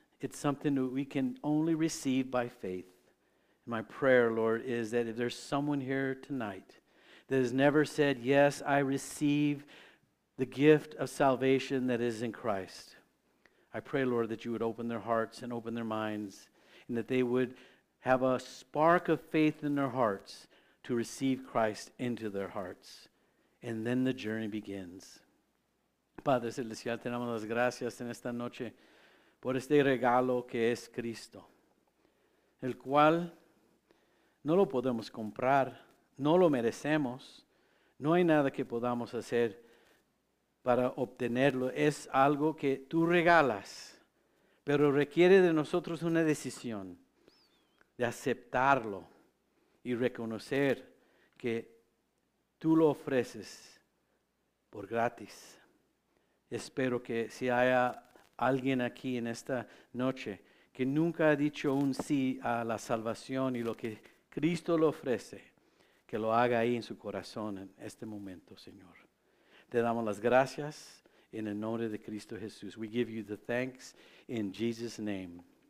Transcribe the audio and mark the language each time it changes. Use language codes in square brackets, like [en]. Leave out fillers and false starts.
[en] It's something that we can only receive by faith. My prayer, Lord, is that if there's someone here tonight that has never said, yes, I receive the gift of salvation that is in Christ, I pray, Lord, that you would open their hearts and open their minds, and that they would have a spark of faith in their hearts to receive Christ into their hearts. And then the journey begins. [es] Padre Celestial, te damos las gracias en esta noche por este regalo que es Cristo, el cual no lo podemos comprar, no lo merecemos, no hay nada que podamos hacer para obtenerlo. Es algo que tú regalas, pero requiere de nosotros una decisión de aceptarlo y reconocer que tú lo ofreces por gratis. Espero que si haya alguien aquí en esta noche que nunca ha dicho un sí a la salvación y lo que Cristo lo ofrece, que lo haga ahí en su corazón en este momento, Señor. Te damos las gracias en el nombre de Cristo Jesús. [en] We give you the thanks in Jesus' name.